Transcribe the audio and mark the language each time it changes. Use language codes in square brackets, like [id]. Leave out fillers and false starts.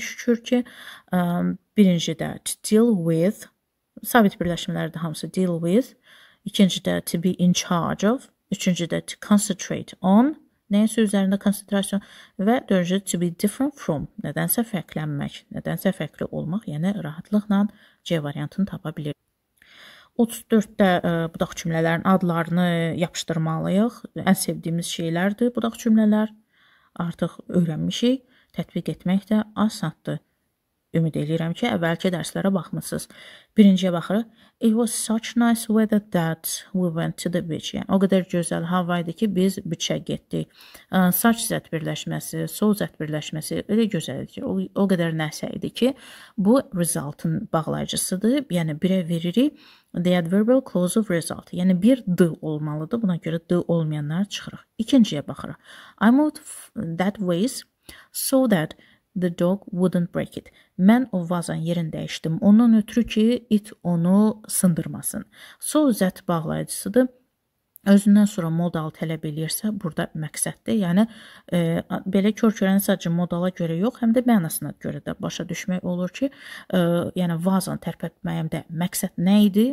[az] Şükür ki, birincidə [en] to deal with, [az] sabit birləşmələrdir hamısı [en] deal with, [az] ikincidə [en] to be in charge of, [az] üçüncüdə [en] to concentrate on, [az] nəyəsə üzərində konsentrasyon və dördüncüdə [en] to be different from, [az] nədənsə fərqlənmək, nədənsə fərqli olmaq, yəni rahatlıqla C variantını tapa bilir. 34-də budaq cümlələrin adlarını yapışdırmalıyıq. Ən sevdiyimiz şeylərdir budaq cümlələr. Artıq öyrənmişik. Tətbiq etmək də asandır. Ümid edirəm ki, əvvəlki dərslərə baxmışsınız. Birinciyə baxırıq. [en] It was such nice weather that we went to the beach. [az] Yəni, o qədər gözəl havaydı ki, biz beachə getdik. Such zət birləşməsi, so zət birləşməsi elə gözəl idi ki, o qədər nəsə idi ki, bu resultın bağlayıcısıdır. Yəni, birə veririk. [en] The adverbial clause of result. [az] Yəni, bir d olmalıdır. Buna görə d olmayanlar çıxırıq. İkinciyə baxırıq. [en] I moved that ways so that the dog wouldn't break it. [az] Mən o vazan yerini dəyişdim. Ondan ötürü ki, it onu sındırmasın. So that bağlayıcısıdır. Özündən sonra modal tələb eləyirsə, burada məqsəddir. Yəni, belə kör-körəni sadəcə modala görə yox, həm də mənasına görə də başa düşmək olur ki, yəni, vazan tərpətməyimdə məqsəd nə idi?